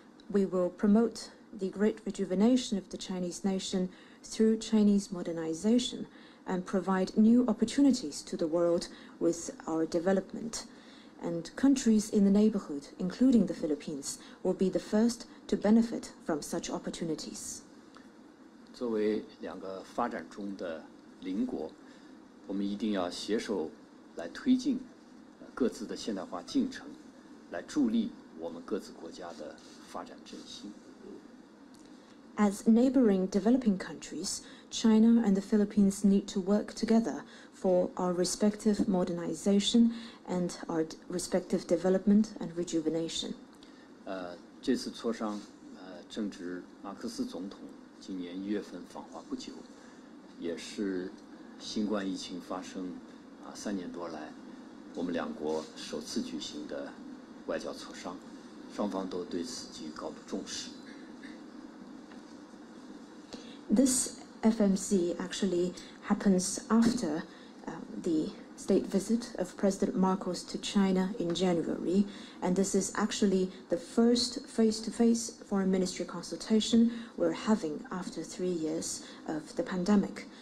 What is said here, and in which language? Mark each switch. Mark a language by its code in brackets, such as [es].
[en] We will promote the great rejuvenation of the Chinese nation through Chinese modernization and provide new opportunities to the world with our development. And countries in the neighborhood, including the Philippines, will be the first to benefit from such opportunities. [zh] 作为两个发展中的邻国, 我们一定要携手来推进各自的现代化进程, 来助力我们各自国家的发展振兴。 [en] As neighboring developing countries, China and the Philippines need to work together for our respective modernization and our respective development and rejuvenation. [zh] 这次磋商, 正值马克思总统今年1月份访华不久, 也是 新冠疫情发生，三年多来，我们两国首次举行的外交磋商，双方都对此极高的重视。 [en] This FMC actually happens after the state visit of President Marcos to China in January, and this is actually the first face-to-face foreign ministry consultation we're having after 3 years of the pandemic.